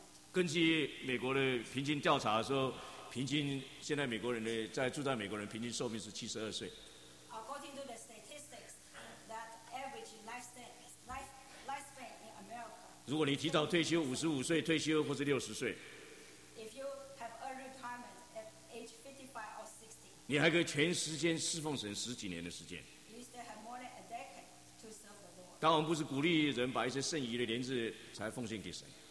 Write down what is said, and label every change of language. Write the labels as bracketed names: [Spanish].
[Chinese] 根据美国的平均调查说，平均现在美国人的在住在美国人平均寿命是72岁。 [English] According to the statistics, that average lifespan in America. [Chinese] 如果你提早退休，55岁退休或者60岁。 [English] If you have early retirement at age 55 or 60. [Chinese] 你还可以全时间侍奉神十几年的时间。 [English] You still have more than a decade to serve the Lord. [Chinese] 当然，不是鼓励人把一些剩余的年日才奉献给神。